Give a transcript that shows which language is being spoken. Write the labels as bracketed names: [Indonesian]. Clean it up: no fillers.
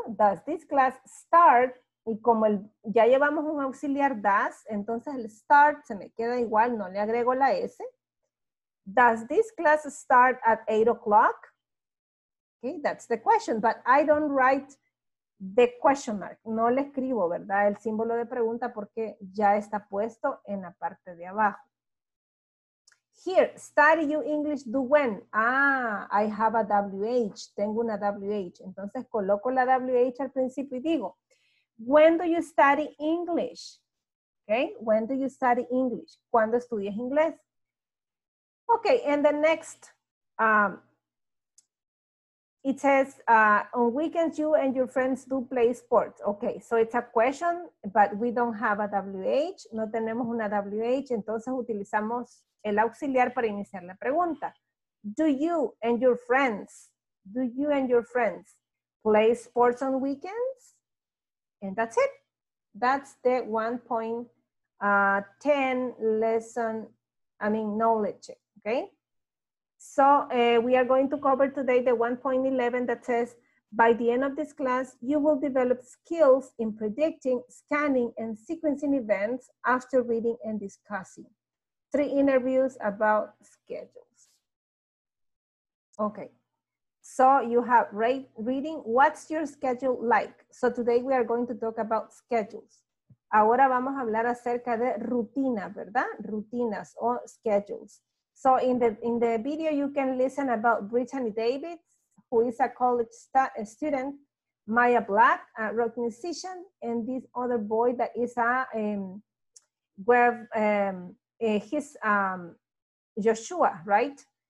[English] Does this class start? [Spanish] Y como ya llevamos un auxiliar does, entonces el start se me queda igual, no le agrego la S. [English] does this class start at 8 o'clock? Okay, that's the question, but I don't write the question mark. [Spanish] No le escribo, ¿verdad? El símbolo de pregunta porque ya está puesto en la parte de abajo. [English] Here, study you English do when? Ah, I have a WH. [Spanish] Tengo una WH. Entonces coloco la WH al principio y digo, [English] when do you study English? Okay, when do you study English? [Spanish] ¿Cuándo estudias inglés? [English] Okay, and the next, it says, on weekends you and your friends do play sports. Okay, so it's a question, but we don't have a WH. [Spanish] No tenemos una WH, entonces utilizamos el auxiliar para iniciar la pregunta. [English] Do you and your friends play sports on weekends? And that's it. That's the 1.10 lesson, I mean knowledge, okay? So we are going to cover today the 1.11 that says, by the end of this class, you will develop skills in predicting, scanning, and sequencing events after reading and discussing. 3 interviews about schedules. Okay, so you have reading. What's your schedule like? So today we are going to talk about schedules. [Spanish] Ahora vamos a hablar acerca de rutina, ¿verdad? [English] Rutinas or schedules. So in the video, you can listen about Brittany Davids, who is a college student, Maya Black, a rock musician, and this other boy that is a web, he's Joshua, right?